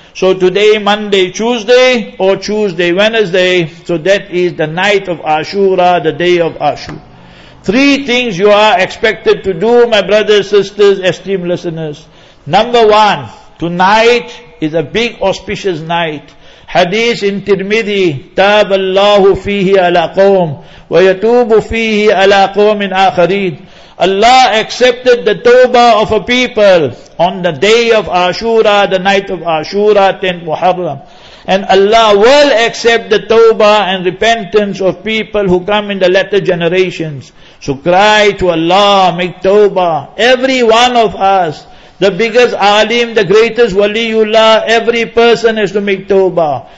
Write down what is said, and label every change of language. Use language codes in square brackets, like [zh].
[en] So today, Monday, Tuesday, or Tuesday, Wednesday, so that is the night of Ashura, the day of Ashura. Three things you are expected to do, my brothers, sisters, esteemed listeners. Number one, tonight is a big auspicious night. Hadith in Tirmidhi, [ar] تَابَ اللَّهُ فِيهِ عَلَىٰ قَوْمٍ وَيَتُوبُ فِيهِ عَلَىٰ قَوْمٍ آخَرِينَ. [en] Allah accepted the tawbah of a people on the day of Ashura, the night of Ashura, 10th Muharram. And Allah will accept the tawbah and repentance of people who come in the latter generations. So cry to Allah, make tawbah. Every one of us, the biggest alim, the greatest waliullah, every person has to make tawbah.